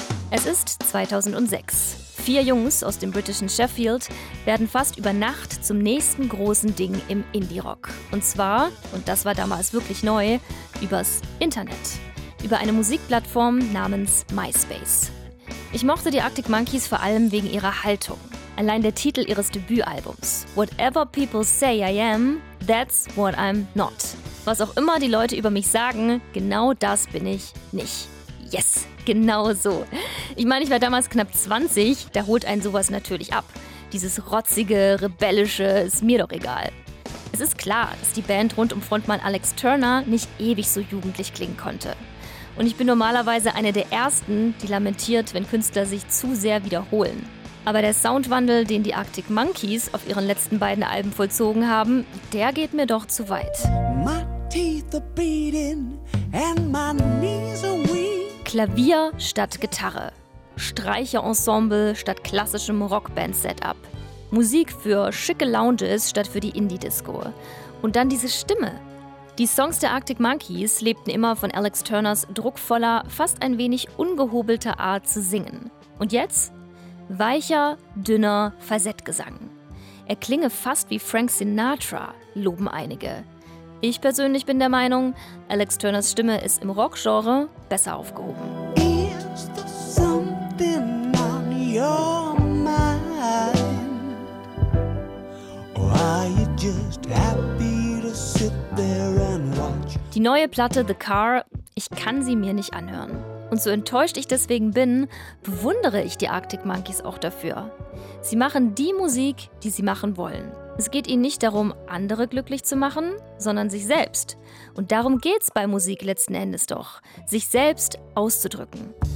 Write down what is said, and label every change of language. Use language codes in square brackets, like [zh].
[de] Es ist 2006. Vier Jungs aus dem britischen Sheffield werden fast über Nacht zum nächsten großen Ding im Indie-Rock. Und zwar, und das war damals wirklich neu, übers Internet. Über eine Musikplattform namens MySpace. Ich mochte die Arctic Monkeys vor allem wegen ihrer Haltung. Allein der Titel ihres Debütalbums. [en] Whatever people say I am, that's what I'm not. [de] Was auch immer die Leute über mich sagen, genau das bin ich nicht. Yes, genau so. Ich meine, ich war damals knapp 20, da holt einen sowas natürlich ab. Dieses rotzige, rebellische, ist mir doch egal. Es ist klar, dass die Band rund um Frontmann Alex Turner nicht ewig so jugendlich klingen konnte. Und ich bin normalerweise eine der Ersten, die lamentiert, wenn Künstler sich zu sehr wiederholen. Aber der Soundwandel, den die Arctic Monkeys auf ihren letzten beiden Alben vollzogen haben, der geht mir doch zu weit. [en] My teeth are beating and my knees are weak. [de] Klavier statt Gitarre, Streicherensemble statt klassischem Rockband-Setup, Musik für schicke Lounges statt für die Indie-Disco und dann diese Stimme. Die Songs der Arctic Monkeys lebten immer von Alex Turners druckvoller, fast ein wenig ungehobelter Art zu singen. Und jetzt? Weicher, dünner Falsettgesang. Er klinge fast wie Frank Sinatra, loben einige. Ich persönlich bin der Meinung, Alex Turners Stimme ist im Rockgenre besser aufgehoben. [en] Is there something on your mind? Or are you just happy to sit there and watch? [de] Die neue Platte The Car, ich kann sie mir nicht anhören. Und so enttäuscht ich deswegen bin, bewundere ich die Arctic Monkeys auch dafür. Sie machen die Musik, die sie machen wollen. Es geht ihnen nicht darum, andere glücklich zu machen, sondern sich selbst. Und darum geht's bei Musik letzten Endes doch, sich selbst auszudrücken.